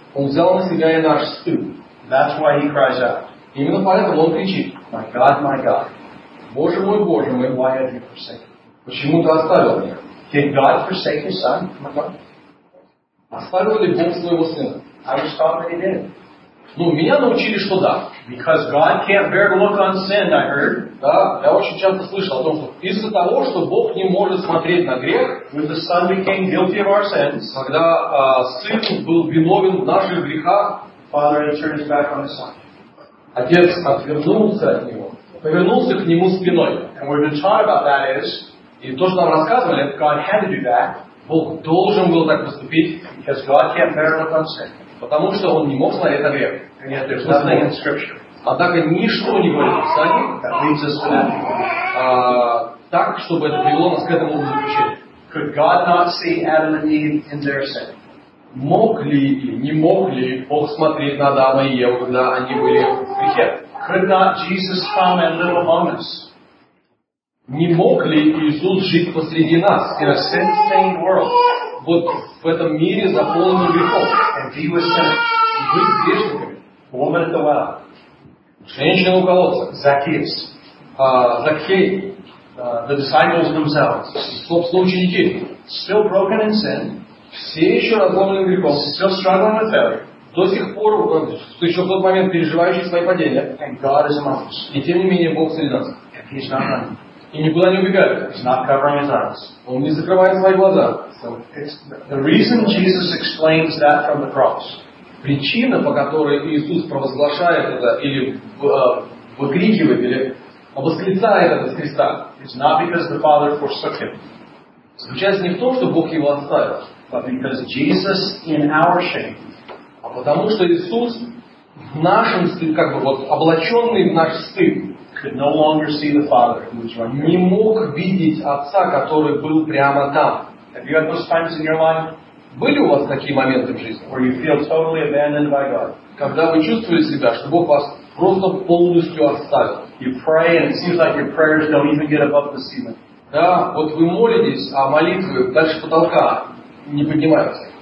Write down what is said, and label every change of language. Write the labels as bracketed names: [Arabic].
[Russian] Он взял на себя и наш стыд. [English] That's why he cries out. [Russian] Именно поэтому он кричит. [English] My God, my God. [Russian] Боже мой, [English] why have you forsaken? [Russian] Почему ты оставил меня? [English] Did God forsake his son, my God? [Russian] Оставил ли Бог своего сына? [English] I was taught that he did. [Russian] Ну, меня научили, что да. [English] Because God can't bear to look on sin, I heard. [Russian] Да, я очень часто слышал о том, что из-за того, что Бог не может смотреть на грех, [English] when the son became guilty of our sins, [Russian] когда сын был виновен в наших грехах, [English] Father turned his back on his son. [Russian] Отец отвернулся от него, повернулся к нему спиной. [English] And we've been taught about that is, [Russian] и то, что нам рассказывали, [English] God had to do that. [Russian] Бог должен был так поступить, [English] because God can't bear to look on sin. [Russian] Потому что Он не мог смотреть на грех. [English] And yet there's nothing in Scripture. [Russian] Однако ничто не говорит в Писании, [English] that leads us to that. [Russian] Так, чтобы это привело нас к этому заключению. [English] Could God not see Adam and Eve in their sin? [Russian] Мог ли или не мог ли Бог смотреть на Адама и Еву, когда они были в грехе? [English] Could not Jesus come and live among us? [Russian] Не мог ли Иисус жить посреди нас? [English] In a sin-stained world. [Russian] Вот в этом мире заполненном грехом. [English] And be with sinners. [Russian] Быть с грешниками. [English] Woman at the well. [Russian] Женщина у колодца. [English] Zacchaeus. [Russian] Закхей. [English] the disciples themselves. [Russian] Ученики, [English] still broken in sin. [Russian] Все еще разломленным грехом. [English] Still struggling with failure. [Russian] До сих пор, еще в тот момент переживающий свои падения. [English] And God is among us. [Russian] И тем не менее Бог среди нас. [English] And He's not running. [Russian] И никуда не убегает. [English] He's not covering his eyes. [Russian] Он не закрывает свои глаза. [English] So it's the reason Jesus explains that from the cross. [Russian] Причина, по которой Иисус провозглашает это или выкрикивает или восклицает это с креста, [English] it's not because the Father forsook him. [Russian] Заключается не в том, что Бог его оставил, [English] but because Jesus in our shame. [Russian] А потому что Иисус в нашем стыд, как бы вот облаченный в наш стыд, [English] could no longer see the Father, who was running. [Russian] Не мог видеть Отца, который был прямо там. [English] Have you had those times in your life? [Russian] Были у вас такие моменты в жизни? [English] Where you feel totally abandoned by God? [Russian] Когда вы чувствуете себя, что Бог вас просто полностью оставил? [English] You pray and it seems like your prayers don't even get above the ceiling. [Russian] Да, вот вы молитесь, а молитвы дальше потолка не поднимаются.